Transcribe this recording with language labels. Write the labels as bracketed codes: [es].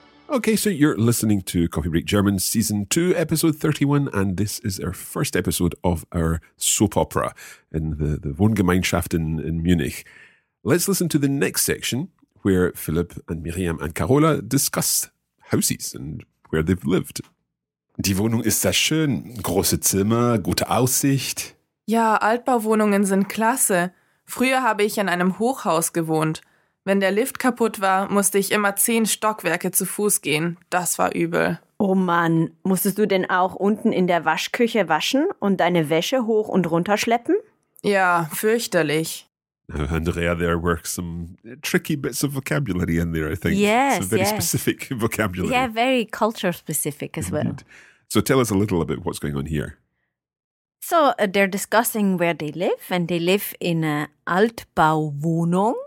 [en] Okay, so you're listening to Coffee Break German Season 2, Episode 31, and this is our first episode of our soap opera in the Wohngemeinschaft in Munich. Let's listen to the next section where Philipp and Miriam and Carola discuss houses and where they've lived. [de] Die Wohnung ist sehr schön. Große Zimmer, gute Aussicht. Ja, Altbauwohnungen sind klasse. Früher habe ich in einem Hochhaus gewohnt. Wenn der Lift kaputt war, musste ich immer 10 Stockwerke zu Fuß gehen. Das war übel. Oh Mann, musstest du denn auch unten in der Waschküche waschen und deine Wäsche hoch und runter schleppen? Ja, fürchterlich. [en] Andrea, there were some tricky bits of vocabulary in there, I think. Yes, some very yes. specific vocabulary. Yeah, very culture specific as well. So tell us a little about what's going on here. So they're discussing where they live, and they live in a Altbauwohnung.